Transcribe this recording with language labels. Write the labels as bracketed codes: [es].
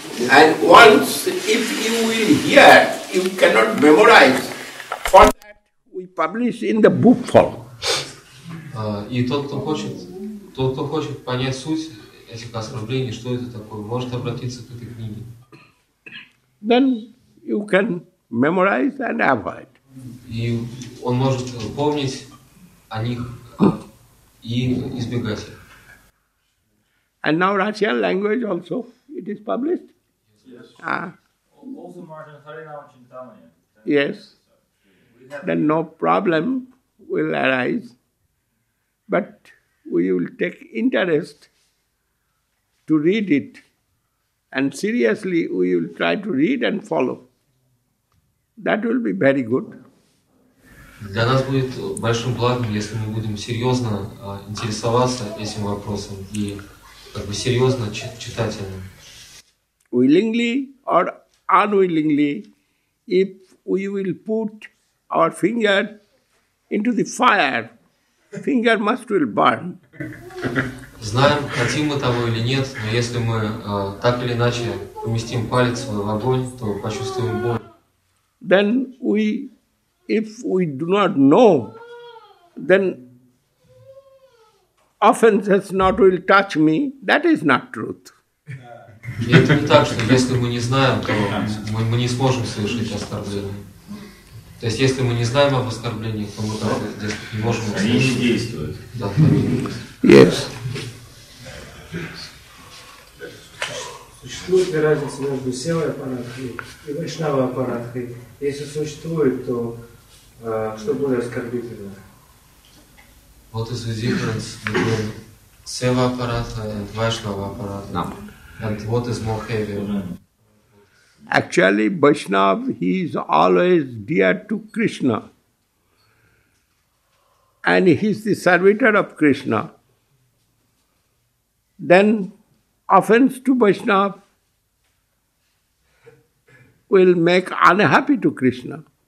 [en] And once, if you will hear, you cannot memorize. For that, we publish in the book form. [ru] И тот, кто хочет понять суть этих оскорблений, что это такое, может обратиться к этой книге. [en] Then you can memorize and avoid. [ru] И он может помнить о них и избегать их. [en] And now Russian language also, it is published. Also Martin Harinam Chintamani. Yes. Then no problem will arise. But we will take interest to read it. And seriously, we will try to read and follow. That will be very good. [ru] Для нас будет большим благом, если мы будем серьезно интересоваться этим вопросом и как бы серьезно читателем. [en] Willingly or unwillingly, if we will put our finger into the fire, finger must will burn. [ru] Знаем, хотим мы того или нет, но если мы так или иначе поместим палец в огонь, то почувствуем боль. [en] Then we, if we do not know, then offenses not will touch me, that is not truth. [ru] И это не так, что если мы не знаем, то мы не сможем совершить оскорбление. То есть если мы не знаем об оскорблении, то мы так не можем оскорбить. Они не действуют. Да, они не действуют. Существует ли разница между севой аппаратхой и вайшнавой аппаратхой? Если существует, то что будет оскорбительно? [en] What is the difference between [ru] севой аппаратхой и вайшнавой аппаратхой? [en] No. And what is more heavier? Actually, Vaishnava, he is always dear to Krishna. And he is the servitor of Krishna. Then offense to Vaishnava will make unhappy to Krishna.